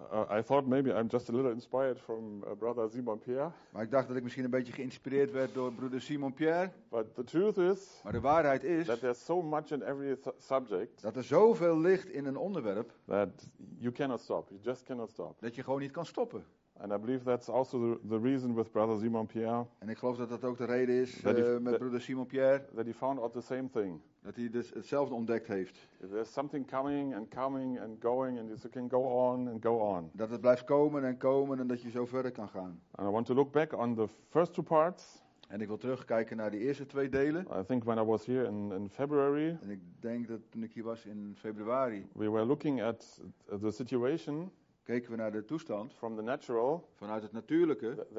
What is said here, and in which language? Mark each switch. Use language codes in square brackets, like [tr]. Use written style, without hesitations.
[en] I thought maybe I'm just a little inspired from brother Simon Pierre. [nl] Maar ik dacht dat ik misschien een beetje geïnspireerd werd door broeder Simon Pierre. [en] But the truth is, [nl] maar de waarheid is, [en] that there's so much in every subject. [nl] Dat er zoveel ligt in een onderwerp. [en] That you cannot stop. You just cannot stop. [nl] Dat je gewoon niet kan stoppen. [en] And I believe that's also the reason with brother Simon Pierre. [nl] En ik geloof dat dat ook de reden is met broeder Simon Pierre. [en] That he found out the same thing. [nl] Dat hij dus hetzelfde ontdekt heeft. [en] If there's something coming and coming and going and you can go on and go on. [nl] Dat het blijft komen en komen en dat je zo verder kan gaan. [en] And I want to look back on the first two parts. [nl] En ik wil terugkijken naar die eerste twee delen. [en] I think when I was here in February. [nl] En ik denk dat toen ik hier was in februari. [en] We were looking at the situation. [nl] Keken we naar de toestand [en] from the natural, [nl] vanuit het natuurlijke